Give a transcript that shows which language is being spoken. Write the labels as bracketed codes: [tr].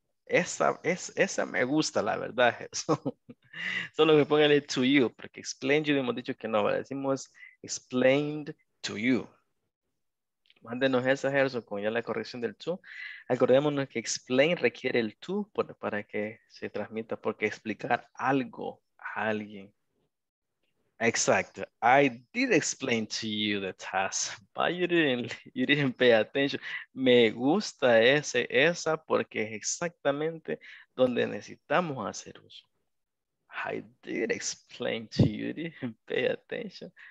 [es] Esa me gusta, la verdad. Eso. Solo que póngale to you, porque explain you hemos dicho que no, ¿vale? Decimos [en] explained to you. [es] Mándenos esa, Gerson, con ya la corrección del to. Acordémonos que explain requiere el to para que se transmita, porque explicar algo a alguien. Exacto. [en] I did explain to you the task, but you didn't pay attention. [es] Me gusta esa porque es exactamente donde necesitamos hacer uso. [en] I did explain to you, you didn't pay attention.